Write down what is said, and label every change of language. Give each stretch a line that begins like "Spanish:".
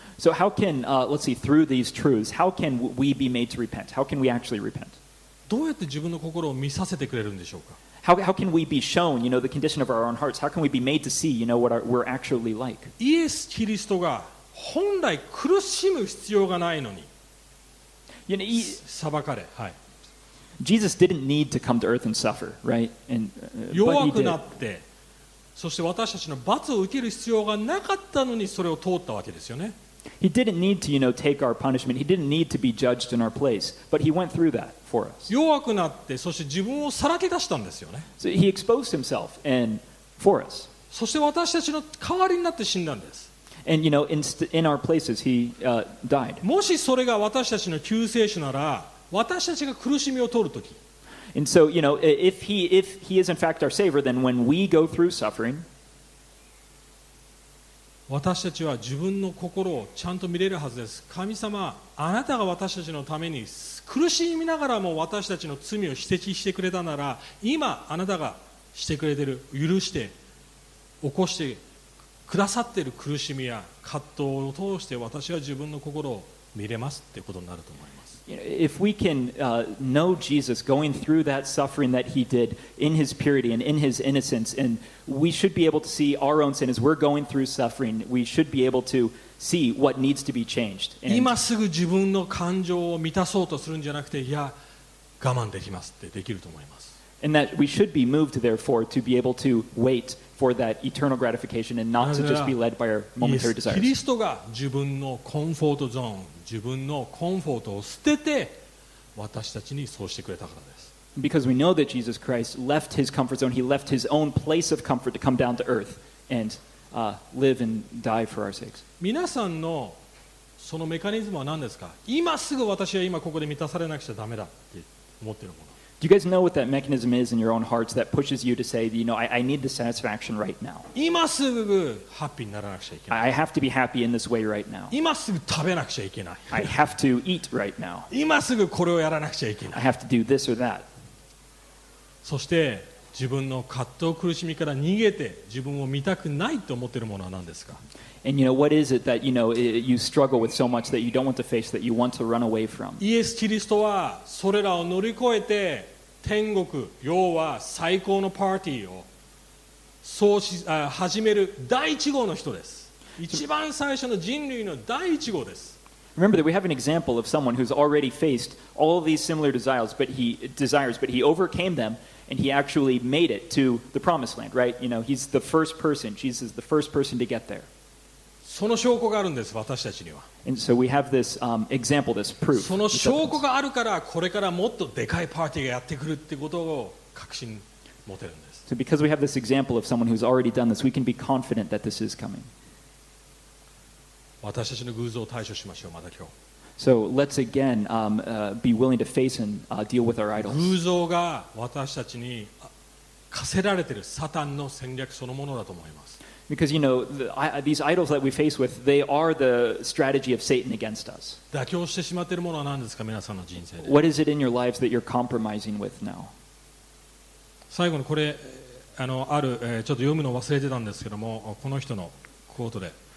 English: So how can, let's see, through these truths, how can we be made to repent? How can we actually repent?
Japanese: どうやって自分の心を見させてくれるんでしょうか。
English: How can we be shown, you know, the condition of our own hearts? How can we be made to see, you know, what we're actually like?
Japanese: イエス・キリストが本来苦しむ必要がないのに、
English: you know,
Japanese: 裁かれ、はい。
English: Jesus didn't need to come to earth and suffer, right? And,
Japanese: 弱くなって、そして私たちの罰を受ける必要がなかったのにそれを通ったわけですよね。
English: He didn't need to, you know, take our punishment. He didn't need to be judged in our place. But he went through that for us.
Japanese: 弱くなって、そして自分をさらけ出したんですよね。
English: So he exposed himself and for us.
Japanese: そして私たちの代わりになって死んだんです。
English: And, you know, in our places, he died.
Japanese: もしそれが私たちの救世主なら、私たちが苦しみを通るとき、
English: And so, you know, if he is in fact our savior, then when we go through suffering,
Japanese: 私たちは自分の心をちゃんと見れるはずです。神様、あなたが私たちのために苦しみながらも私たちの罪を指摘してくれたなら、今あなたがしてくれてる、許して起こしてくださっている苦しみや葛藤を通して私は自分の心を見れますってことになると思います。
English: If we can know Jesus going through that suffering that he did in his purity and in his innocence, and we should be able to see our own sin as we're going through suffering, we should be able to see what needs to be changed.
Japanese: And, 今すぐ自分の感情を満たそうとするんじゃなくて、いや、我慢できますってできると思います。
English: And that we should be moved, therefore, to be able to wait for that eternal gratification and not to just be led by our momentary desires.
Japanese: キリストが自分のコンフォートゾーン、自分のコンフォートを捨てて私たちにそうしてくれたからです。
English: Because we know that Jesus Christ left his comfort zone, he left his own place of comfort to come down to earth and live and die for our sakes.
Japanese: 皆さんのそのメカニズムは何ですか？今すぐ私は今ここで満たされなくちゃダメだって思ってるもの。
English: Do you guys know what that mechanism is in your own hearts that pushes you to say, you know, I need the satisfaction right now?
Japanese: 今すぐハッピーにならなくちゃいけない。
English: I have to be happy in this way right now.
Japanese: 今すぐ食べなくちゃいけない。
English: I have to eat right now.
Japanese: 今すぐこれをやらなくちゃいけない。
English: I have to do this or that.
Japanese: そして自分の葛藤苦しみから逃げて自分を見たくないと思っているものは何ですか？
English: And you know, what is it that you know you struggle with so much that you don't want to face, that you want to run away from?
Japanese: イエス・キリストはそれらを乗り越えて天国、要は最高のパーティーを始める第一号の人です。一番最初の人類の第一号です。
English: Remember that we have an example of someone who's already faced all these similar desires, but he overcame them. And he actually made it to the promised land, right? You know, he's the first person. Jesus is the first person to get there.
Japanese: その証拠があるんです、私たちには。
English: And so we have this example, this proof.
Japanese: その証拠があるから、これからもっとでかいパーティーがやってくるってことを確信持てるんです。
English: So because we have this example of someone who's already done this, we can be confident that this is coming.
Japanese: 私たちの偶像を対処しましょう、また今日。
English: So let's again be willing to face and deal with our idols.
Japanese: 偶像が私たちに課せられているサタンの戦略そのものだと思います。
English: Because you know, these idols that we face with, they are the strategy of Satan against us.
Japanese: 妥協してしまっているものは何ですか、皆さんの人生で。
English: What is it in your lives that you're compromising with now?
Japanese: 最後にこれ、ある、ちょっと読むの忘れてたんですけども、この人のクォートで。